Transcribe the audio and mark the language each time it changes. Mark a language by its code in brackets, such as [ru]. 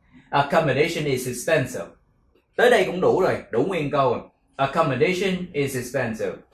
[en] Accommodation is expensive. [vi] Tới đây cũng đủ rồi, đủ nguyên câu rồi. [en] Accommodation is expensive.